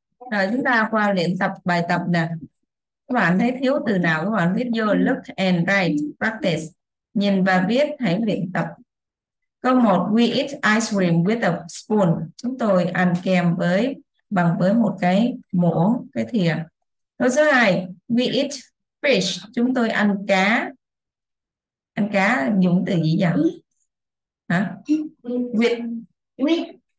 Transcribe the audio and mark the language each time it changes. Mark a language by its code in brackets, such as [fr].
[vi] Rồi chúng ta qua luyện tập bài tập nè. Các bạn thấy thiếu từ nào các bạn viết vô. [en] Look and write, practice. [vi] Nhìn và viết, hãy luyện tập. Câu 1, [en] we eat ice cream with a spoon. [vi] Chúng tôi ăn kem với bằng với một cái muỗng, cái thìa. Câu số 2, [en] we eat fish. [vi] Chúng tôi ăn cá. Ăn cá dùng từ gì vậy? Hả? [en] With